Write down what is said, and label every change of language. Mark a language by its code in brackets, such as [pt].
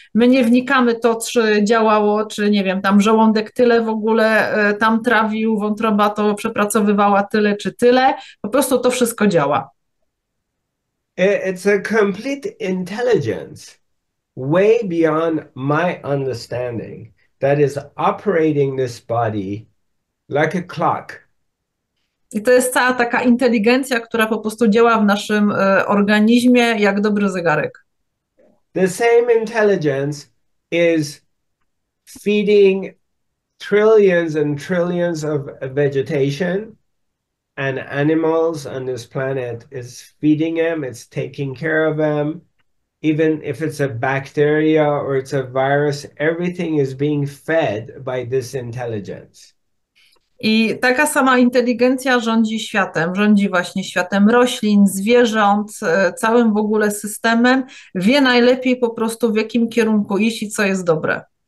[pl] My nie wnikamy to, czy działało, czy nie wiem, tam żołądek tyle w ogóle tam trawił, wątroba to przepracowywała tyle, czy tyle. Po prostu to wszystko działa. [en] It's a complete intelligence, way beyond my understanding, that is operating this body like a clock. [pl] I to jest cała taka inteligencja, która po prostu działa w naszym organizmie jak dobry zegarek. [en] The same intelligence is feeding trillions and trillions of vegetation and animals on this planet. It's feeding them, it's taking care of them. Even if it's a bacteria or it's a virus, everything is being fed by this intelligence. [pl] I taka sama inteligencja rządzi światem, rządzi właśnie światem roślin, zwierząt, całym w ogóle systemem, wie najlepiej po prostu w jakim kierunku iść i co jest dobre.